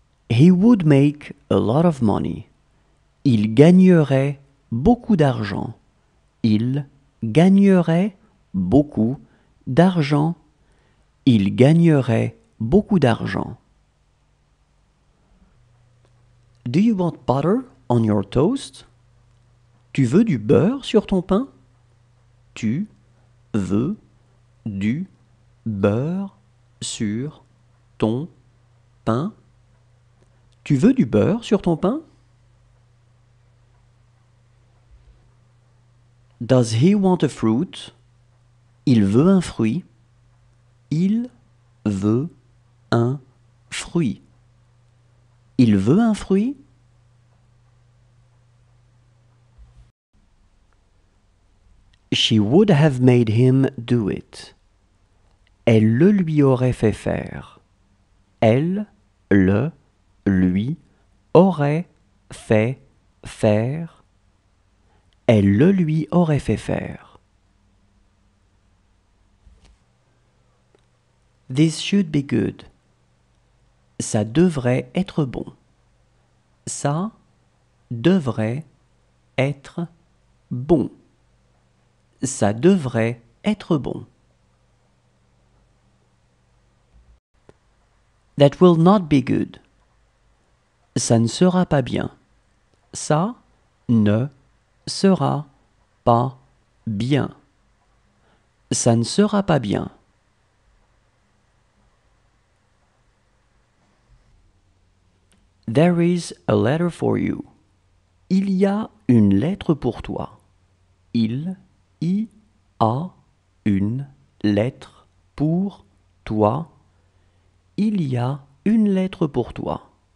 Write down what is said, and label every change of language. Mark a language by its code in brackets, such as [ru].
[en] He would make a lot of money. [fr] Il gagnerait beaucoup d'argent. Il gagnerait beaucoup d'argent. Il gagnerait beaucoup d'argent. [en] Do you want butter on your toast? [fr] Tu veux du beurre sur ton pain? Tu veux du beurre sur ton pain? Tu veux du beurre sur ton pain? [en] Does he want a fruit? [fr] Il veut un fruit. Il veut un fruit. Il veut un fruit? [en] She would have made him do it. [fr] Elle le lui aurait fait faire. Elle le lui aurait fait faire. Elle le lui aurait fait faire. [en] This should be good. [fr] Ça devrait être bon. Ça devrait être bon. Ça devrait être bon. [en] That will not be good. [fr] Ça ne sera pas bien. Ça ne sera pas bien. Ça ne sera pas bien. [en] There is a letter for you. [fr] Il y a une lettre pour toi. Il y a une lettre pour toi. Il y a une lettre pour toi.